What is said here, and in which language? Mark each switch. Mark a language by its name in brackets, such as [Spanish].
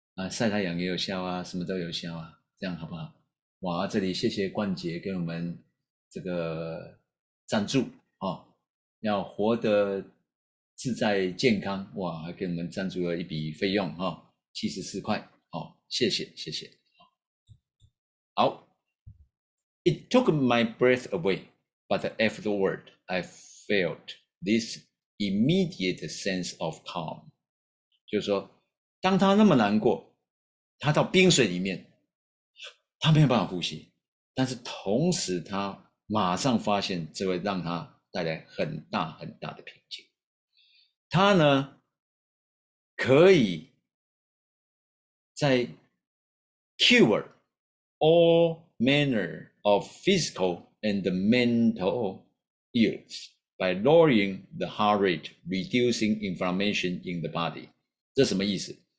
[Chinese] 晒太阳也有效啊，什么都有效啊，这样好不好？哇，这里谢谢冠杰给我们这个赞助要活得自在健康，哇，还给我们赞助了一笔费用74块，谢谢谢谢。 [English] 好，It took my breath away, but afterward, I felt this immediate sense of calm。 [Chinese] 就是说，当他那么难过，他到冰水里面。他没有办法呼吸，但是同时他马上发现，这会让他带来很大很大的平静。他呢，可以在 [English] cure all manner of physical and mental ills by lowering the heart rate, reducing inflammation in the body。 [Chinese] 这什么意思？